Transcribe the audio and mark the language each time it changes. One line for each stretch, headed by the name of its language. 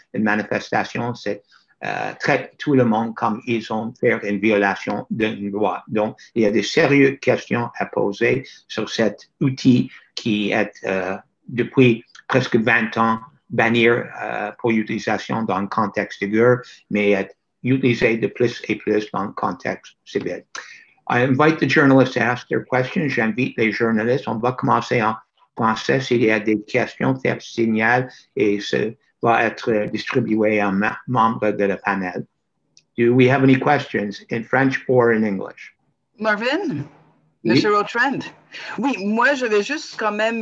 French: Une manifestation, c'est traite tout le monde comme ils ont fait une violation d'une loi. Donc, il y a des sérieuses questions à poser sur cet outil qui est depuis presque 20 ans bannir pour utilisation dans le contexte de guerre, mais être utilisé de plus et plus dans le contexte civil.
English: I invite the journalists to ask their questions.
French: J'invite les journalistes. On va commencer en français. S'il y a des questions, faire signal et ça va être distribué à membres de la panel.
English: Do we have any questions in French or in English?
French: Marvin? Monsieur Rotrand? Oui, moi, je vais juste quand même...